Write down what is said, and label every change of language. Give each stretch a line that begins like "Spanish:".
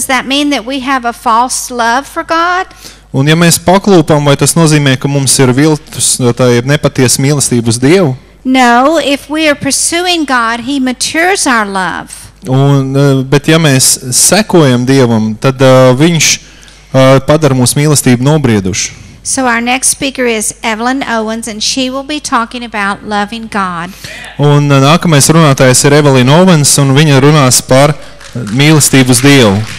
English: that mean that we have a false love for God?
Latvian: Un ja mēs paklūpam, vai tas nozīmē, ka mums ir viltus, tā ir nepatiesa mīlestība uz Dievu?
English: No, if we are pursuing God, he matures our love.
Latvian: Un, bet ja mēs sekojam Dievam, tad viņš padara mūsu mīlestību nobriedušu.
English: So our next speaker is Evelyn Owens and she will be talking about loving God.
Latvian: Un nākamais runātājs ir Evelyn Owens un viņa runās par mīlestību uz Dievu.